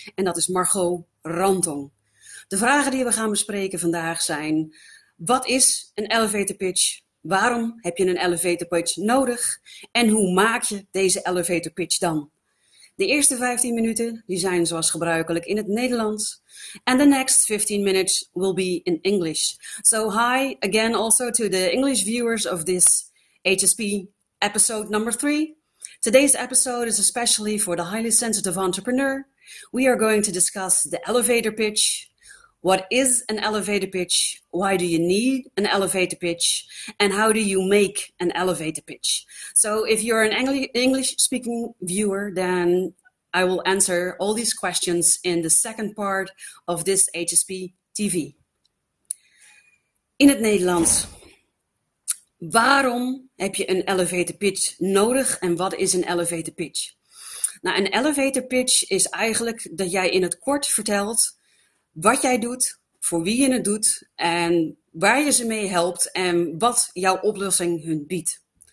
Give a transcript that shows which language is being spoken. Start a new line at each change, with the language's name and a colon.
Dutch: En dat is Margot Rantong. De vragen die we gaan bespreken vandaag zijn: wat is een elevator pitch? Waarom heb je een elevator pitch nodig? En hoe maak je deze elevator pitch dan? De eerste 15 minuten die zijn zoals gebruikelijk in het Nederlands.
English: And the next 15 minutes will be in English. So hi again also to the English viewers of this HSP episode number 3. Today's episode is especially for the highly sensitive entrepreneur. We are going to discuss the elevator pitch. What is an elevator pitch? Why do you need an elevator pitch? And how do you make an elevator pitch? So if you're an English-speaking viewer, then I will answer all these questions in the second part of this HSP TV.
Dutch: In het Nederlands. Waarom heb je een elevator pitch nodig en wat is een elevator pitch? Nou, een elevator pitch is eigenlijk dat jij in het kort vertelt wat jij doet, voor wie je het doet en waar je ze mee helpt en wat jouw oplossing hun biedt.